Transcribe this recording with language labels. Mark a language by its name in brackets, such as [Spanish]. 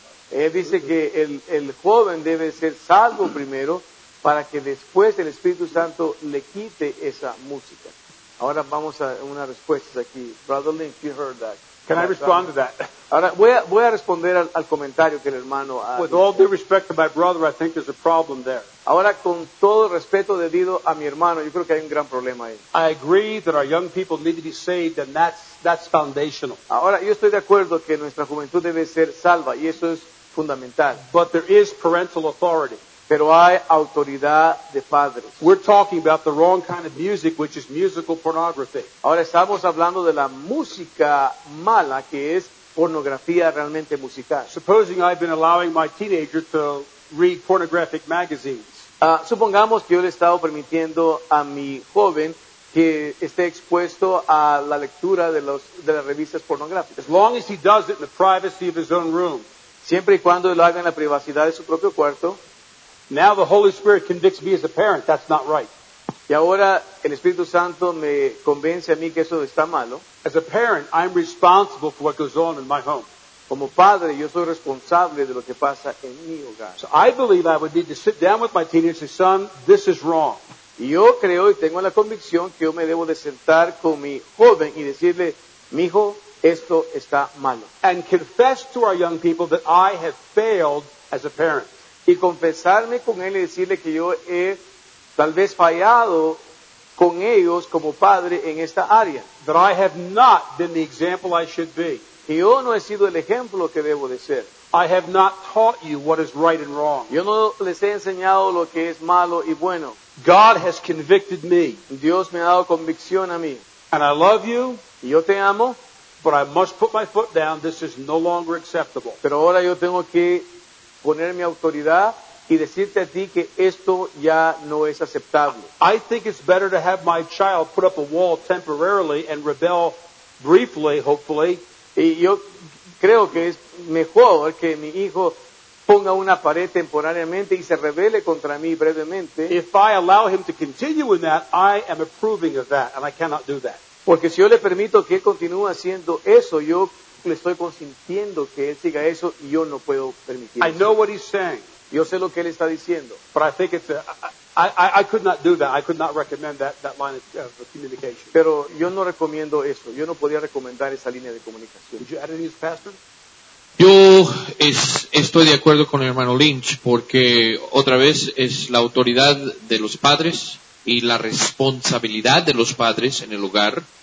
[Spanish] Él dice que el joven debe ser salvo primero para que después el Espíritu Santo le quite esa música. Ahora vamos a una respuesta aquí. [English] Brother Link, you heard that. Can I respond to that? [Spanish] Ahora voy a responder al comentario que el hermano ha. [English] With all due respect to my brother, I think there's a problem there. [Spanish] Ahora con todo respeto debido a mi hermano, yo creo que hay un gran problema ahí. [English] I agree that our young people need to be saved, and that's foundational. [Spanish] Ahora yo estoy de acuerdo que nuestra juventud debe ser salva y eso es fundamental. [English] But there is parental authority. [Spanish] Pero hay autoridad de padres. [English] We're talking about the wrong kind of music, which is musical pornography. [Spanish] Ahora estamos hablando de la música mala, que es pornografía realmente musical. [English] Supposing I've been allowing my teenager to read pornographic magazines. [Spanish] Supongamos que yo le he estado permitiendo a mi joven que esté expuesto a la lectura de las revistas pornográficas. [English] As long as he does it in the privacy of his own room. [Spanish] Siempre y cuando lo haga en la privacidad de su propio cuarto. [English] Now the Holy Spirit convicts me as a parent. That's not right. [Spanish] Y ahora el Espíritu Santo me convence a mí que eso está malo. [English] As a parent, I'm responsible for what goes on in my home. [Spanish] Como padre, yo soy responsable de lo que pasa en mi hogar. [English] So I believe I would need to sit down with my teenager and say, son, this is wrong. [Spanish] Yo creo y tengo la convicción que yo me debo de sentar con mi joven y decirle, mijo, esto está malo. [English] And confess to our young people that I have failed as a parent. [Spanish] Y confesarme con él y decirle que yo he tal vez fallado con ellos como padre en esta área. [English] That I have not been the example I should be. [Spanish] Que yo no he sido el ejemplo que debo de ser. [English] I have not taught you what is right and wrong. [Spanish] Yo no les he enseñado lo que es malo y bueno. [English] God has convicted me. [Spanish] Dios me ha dado convicción a mí. [English] And I love you. [Spanish] Y yo te amo. [English] But I must put my foot down. This is no longer acceptable. [Spanish] Pero ahora yo tengo que poner mi autoridad y decirte a ti que esto ya no es aceptable. [English] I think it's better to have my child put up a wall temporarily and rebel briefly, hopefully. [Spanish] Y yo creo que es mejor que mi hijo ponga una pared temporariamente y se rebele contra mí brevemente. [English] If I allow him to continue in that, I am approving of that, and I cannot do that. [Spanish] Porque si yo le permito que él continúe haciendo eso, yo le estoy consintiendo que él siga eso y yo no puedo permitir eso. [English] I know what he's saying. [Spanish] Yo sé lo que él está diciendo. [English] But I think it's a, I could not do that. I could not recommend that line of communication. [Spanish] Pero yo no recomiendo eso. Yo no podía recomendar esa línea de comunicación. [English] Would you add anything, Pastor? [Spanish] Yo estoy de acuerdo con el hermano Lynch porque otra vez es la autoridad de los padres y la responsabilidad de los padres en el hogar.